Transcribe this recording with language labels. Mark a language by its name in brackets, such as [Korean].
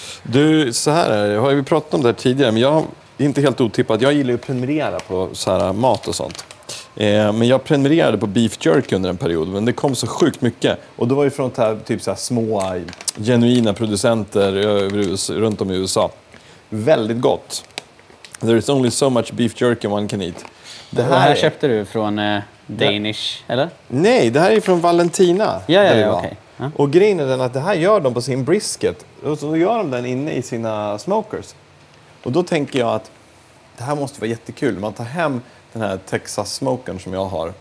[Swedish] Du, så här är det. Har vi pratat om det tidigare, men jag är inte helt otippat. Jag gillar ju att prenumerera på så här mat och sånt. Men jag prenumererade på beef jerky under en period, men det kom så sjukt mycket. Och då var ju från här, typ så här små, genuina producenter runt om i USA. Väldigt gott. [English] There is only so much beef jerky one can eat. [Swedish] Det här köpte du från... Danish, eller? Nej, det här är från Valentina. Ja, okay. Och grejen är den att det här gör de på sin brisket. Och så gör de den inne i sina smokers. Och då tänker jag att det här måste vara jättekul. Man tar hem den här Texas smokern som jag har.